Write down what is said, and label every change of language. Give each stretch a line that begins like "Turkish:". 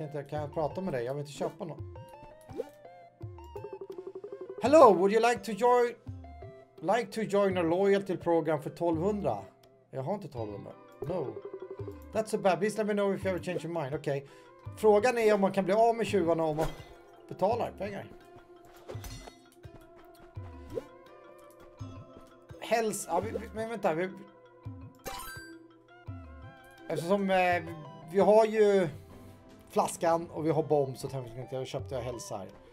Swedish: Kan jag prata med dig? Jag vill inte köpa något.
English: Hello, would you like to join a loyalty program for 1200?
Swedish: Jag har inte 1200.
English: No. That's so bad. Please let me know if you ever change your mind. Okej. Okay.
Swedish: Frågan är om man kan bli av med tjuvarna om man betalar pengar. Hälsa. Men vänta. Eftersom vi har ju... flaskan och vi har bomb så tänkte jag köpte jag hälsa här.